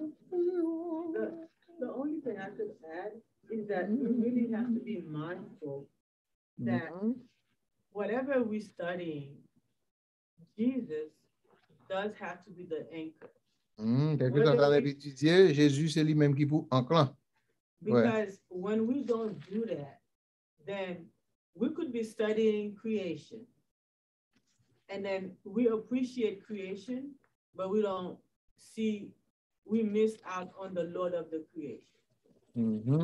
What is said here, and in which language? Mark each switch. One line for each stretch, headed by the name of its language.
English: The only thing I could add is that we really have to be mindful that whatever we're studying, Jesus does have to be the anchor.
French: Quelqu'un est en train d'étudier, Jésus, c'est lui-même qui vous enclin.
English: Because when we don't do that, then we could be studying creation. And then we appreciate creation, but we don't see, we miss out on the Lord of the creation. Mm-hmm.